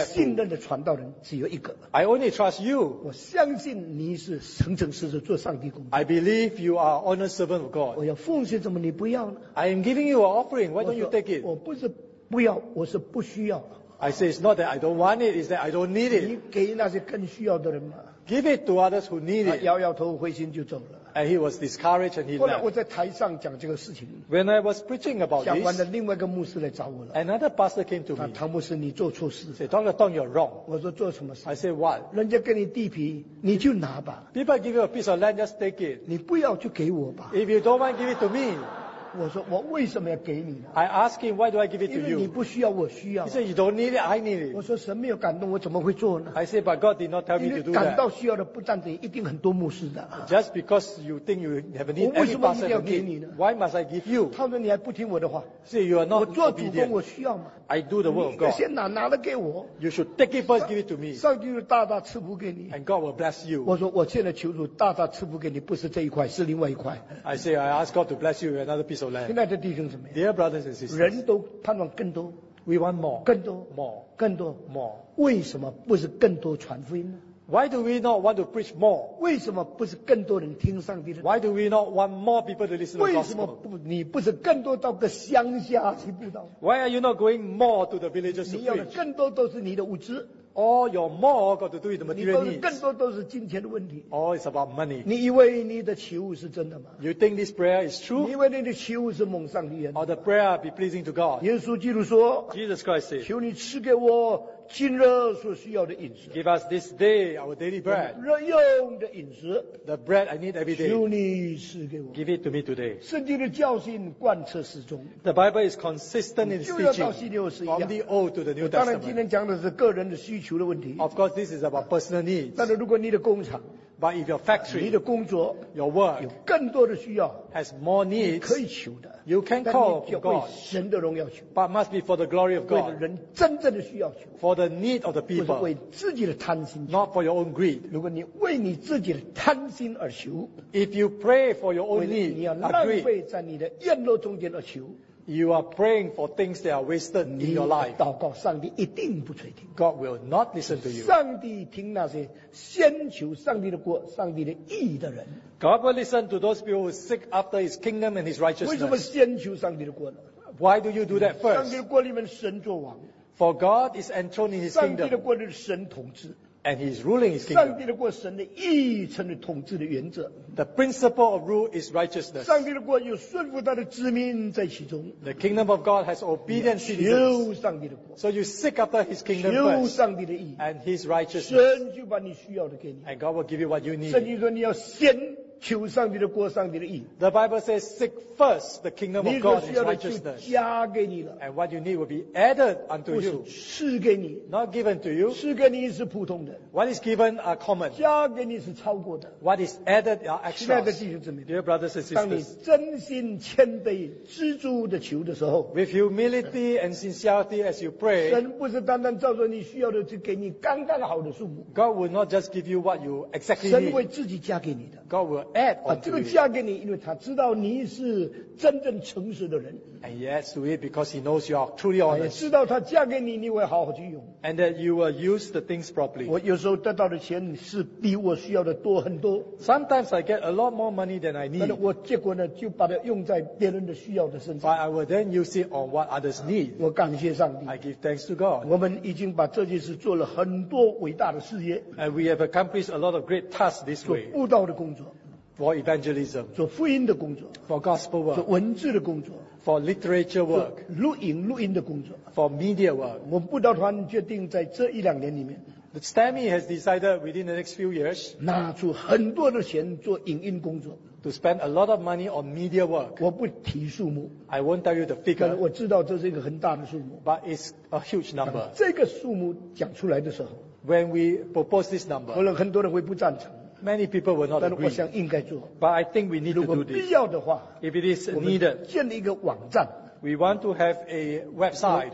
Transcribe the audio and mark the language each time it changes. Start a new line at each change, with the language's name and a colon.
Chinese: 我信任的传道人只有一个。
English: I only trust you.
Chinese: 我相信你是诚诚实实做上帝工作。
English: I believe you are honest servant of God.
Chinese: 我要奉献，怎么你不要呢？
English: I am giving you an offering. Why don't you take it?
Chinese: 我不是不要，我是不需要。
English: I say it's not that I don't want it. It's that I don't need it.
Chinese: 你给那些更需要的人吗？
English: Give it to others who need it.
Chinese: 他摇摇头，灰心就走了。
English: And he was discouraged and he left.
Chinese: 后来我在台上讲这个事情。
English: When I was preaching about this,
Chinese: 相关的另外一个牧师来找我了。
English: Another pastor came to me.
Chinese: 唐牧师，你做错事。
English: Said, Dr. Tong, you're wrong.
Chinese: 我说做什么事？
English: I said, what?
Chinese: 人家给你地皮，你就拿吧。
English: People give you a piece of land, just take it.
Chinese: 你不要就给我吧。
English: If you don't want, give it to me.
Chinese: 我说我为什么要给你呢？
English: I ask him, why do I give it to you?
Chinese: 因为你不需要，我需要。
English: He said, you don't need it, I need it.
Chinese: 我说神没有感动，我怎么会做呢？
English: I said, but God did not tell me to do that.
Chinese: 感到需要的不单止一定很多牧师的。
English: Just because you think you have a need,
Chinese: 我为什么一定要给你呢？
English: Why must I give you?
Chinese: 他说你还不听我的话。
English: See, you are not obedient.
Chinese: 我做主工，我需要吗？
English: I do the work of God.
Chinese: 你先拿了给我。
English: You should take it first, give it to me.
Chinese: 上帝大大赐福给你。
English: And God will bless you.
Chinese: 我说我现在求主大大赐福给你，不是这一块，是另外一块。
English: I say, I ask God to bless you with another piece.
Chinese: 现在的弟兄怎么样？
English: Dear brothers and sisters,
Chinese: 人都盼望更多。
English: We want more.
Chinese: 更多。
English: More.
Chinese: 更多。
English: More.
Chinese: 为什么不是更多传福音呢？
English: Why do we not want to preach more?
Chinese: 为什么不是更多人听上帝的？
English: Why do we not want more people to listen to gospel?
Chinese: 为什么不你不是更多到个乡下去布道？
English: Why are you not going more to the villages to preach?
Chinese: 你要的更多都是你的物资。
English: All your more got to do with the material needs.
Chinese: 你都是更多都是金钱的问题。
English: All is about money.
Chinese: 你以为你的求是真的吗？
English: You think this prayer is true?
Chinese: 你以为你的求是蒙上帝的？
English: Or the prayer be pleasing to God?
Chinese: 耶稣基督说，
English: Jesus Christ said,
Chinese: 求你赐给我今日所需要的饮食。
English: Give us this day our daily bread.
Chinese: 日用的饮食。
English: The bread I need every day.
Chinese: 求你赐给我。
English: Give it to me today.
Chinese: 圣经的教训贯彻始终。
English: The Bible is consistent in teaching.
Chinese: 旧约到新约是一样。
English: From the old to the new testament.
Chinese: 当然今天讲的是个人的需求的问题。
English: Of course, this is about personal needs.
Chinese: 但是如果你的工厂。
English: But if your factory,
Chinese: 你的工作
English: your work,
Chinese: 有更多的需要
English: has more needs,
Chinese: 可以求的
English: you can call God,
Chinese: 但你要为神的荣耀求
English: but must be for the glory of God,
Chinese: 为人真正的需要求
English: for the need of the people,
Chinese: 不是为自己的贪心
English: not for your own greed,
Chinese: 如果你为你自己的贪心而求
English: if you pray for your own need,
Chinese: 你要浪费在你的宴乐中间而求
English: you are praying for things that are wasted in your life,
Chinese: 你祷告上帝一定不垂听
English: God will not listen to you,
Chinese: 上帝听那些先求上帝的国上帝的义的人
English: God will listen to those people who seek after his kingdom and his righteousness
Chinese: 为什么先求上帝的国呢
English: Why do you do that first?
Chinese: 上帝的国里面神作王
English: For God is enthroned in his kingdom
Chinese: 上帝的国里面神统治
English: And he is ruling his kingdom.
Chinese: 上帝的国，神的义，成了统治的原则。
English: The principle of rule is righteousness.
Chinese: 上帝的国有顺服他的子民在其中。
English: The kingdom of God has obedient citizens.
Chinese: 求上帝的国。
English: So you seek after his kingdom first.
Chinese: 求上帝的义。
English: And his righteousness.
Chinese: 神就把你需要的给你。
English: And God will give you what you need.
Chinese: 圣经说你要先。求上帝的国，上帝的义。
English: The Bible says, seek first the kingdom of God and righteousness.
Chinese: 你所需要的就加给你了。
English: And what you need will be added unto you.
Chinese: 不是赐给你。
English: Not given to you.
Chinese: 赐给你是普通的。
English: What is given are common.
Chinese: 加给你是超过的。
English: What is added are extra.
Chinese: 亲爱的弟兄姊妹。
English: Dear brothers and sisters.
Chinese: 当你真心谦卑、知足地求的时候。
English: With humility and sincerity as you pray.
Chinese: 神不是单单照着你需要的就给你刚刚好的数目。
English: God will not just give you what you exactly need.
Chinese: 神会自己加给你的。
English: God will add on to you.
Chinese: 这个嫁给你，因为他知道你是真正诚实的人。
English: And he adds to it because he knows you are truly honest.
Chinese: 知道他嫁给你，你会好好去用。
English: And that you will use the things properly.
Chinese: 我有时候得到的钱是比我需要的多很多。
English: Sometimes I get a lot more money than I need.
Chinese: 但是我结果呢，就把它用在别人的身上。
English: But I will then use it on what others need.
Chinese: 我感谢上帝。
English: I give thanks to God.
Chinese: 我们已经把这件事做了很多伟大的事业。
English: And we have accomplished a lot of great tasks this way.
Chinese: 做布道的工作。
English: For evangelism.
Chinese: 做福音的工作。
English: For gospel work.
Chinese: 做文字的工作。
English: For literature work.
Chinese: 录音的工作。
English: For media work.
Chinese: 我们布道团决定在这一两年里面。
English: But STEMI has decided within the next few years.
Chinese: 拿出很多的钱做影音工作。
English: To spend a lot of money on media work.
Chinese: 我不提数目。
English: I won't tell you the figure.
Chinese: 但我知道这是一个很大的数目。
English: But it's a huge number.
Chinese: 这个数目讲出来的时候。
English: When we propose this number.
Chinese: 可能很多人会不赞成。
English: Many people will not agree. But I think we need to do this.
Chinese: 如果必要的话,
English: if it is needed,
Chinese: 建立一个网站,
English: we want to have a website